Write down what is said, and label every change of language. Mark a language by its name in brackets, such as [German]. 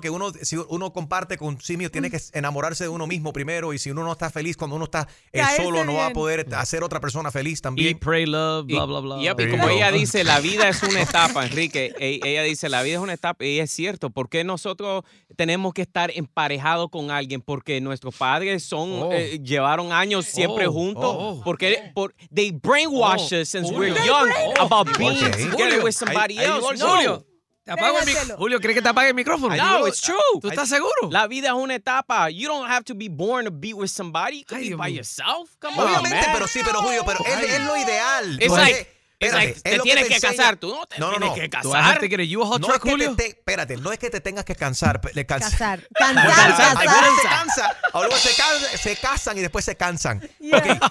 [Spanish] Que uno, si uno comparte con simio, tiene que enamorarse de uno mismo primero. Y si uno no está feliz cuando uno está solo, no va a poder hacer otra persona feliz también. [English] Eat, pray, love, blah, blah, blah. [Spanish] Yep, y como ella dice, la vida es una etapa, Enrique. Ella dice, la vida es una etapa. Y es cierto, porque nosotros tenemos que estar emparejados con alguien? Porque nuestros padres son, llevaron años siempre juntos. [English] Porque they brainwash us since we're young about being together with somebody else. [Spanish] Julio. Julio, ¿crees que te apague el micrófono? [English] No, no, it's true. [Spanish] ¿Tú estás seguro? La vida es una etapa. [English] You don't have to be born to be with somebody. You can be by yourself. Come [Spanish] obviamente, [English] on, [Spanish] pero sí, pero Julio, pero es lo ideal. [English] It's like, [Spanish] espérate, te tienes que casar. Tú no te tienes que casar. ¿Tú vas a hacerte querer? [English] ¿You a hot truck, [Spanish] Julio? Espérate, no es que te tengas que cansar. Cansar. Cansar. Algunos se casan y después se cansan. Yeah. Okay.